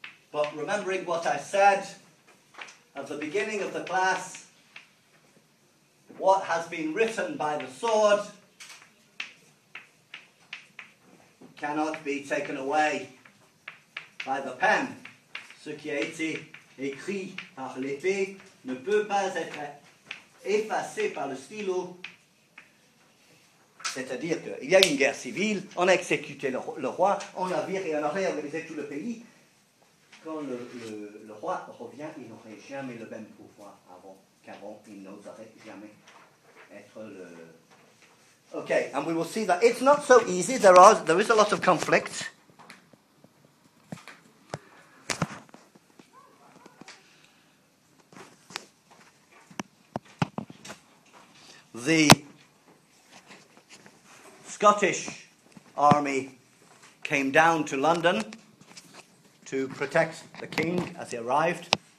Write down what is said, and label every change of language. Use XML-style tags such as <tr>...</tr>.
<en>But remembering what I said at the beginning of the class, what has been written by the sword cannot be taken away by the pen.</en> <fr>Ce qui a été écrit par l'épée ne peut pas être effacé par le stylo. C'est-à-dire qu'il y a une guerre civile, on a exécuté le roi, on a viré, on a réorganisé tout le pays. Quand le roi revient, il n'aurait jamais le même pouvoir qu'avant. Il n'oserait jamais être le...</fr> <en>Okay, and we will see that it's not so easy. There is a lot of conflict. The Scottish army came down to London to protect the king as he arrived.</en>